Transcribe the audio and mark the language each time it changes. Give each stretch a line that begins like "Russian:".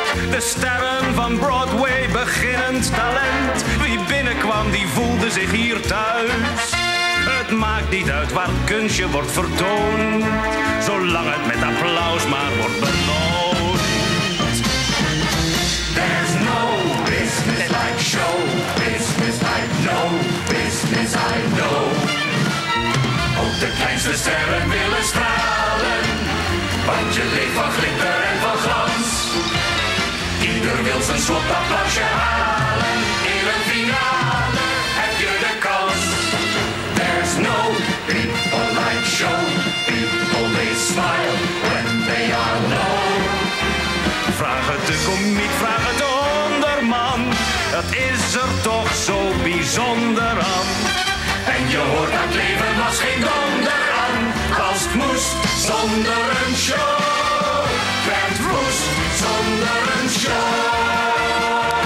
Dutch: De sterren van Broadway, beginnend talent. Wie binnenkwam, die voelde zich hier thuis. Het maakt niet uit waar het kunstje wordt vertoond, zolang het met applaus maar wordt beloond.
English: There's no business like show. Business like no business I know.
Dutch: De kleinste sterren willen stralen, want je leeft van glitter en van glans. Ieder wil zijn slot applausje halen, in een finale heb je de kans.
English: There's no people like show, people they smile when they are low.
Dutch: Vraag het de komiek, vraag het de onderman, dat is er toch zo bijzonder aan. En je hoort dat leven was geen donder aan, als het moest zonder een show, werd woest zonder een show.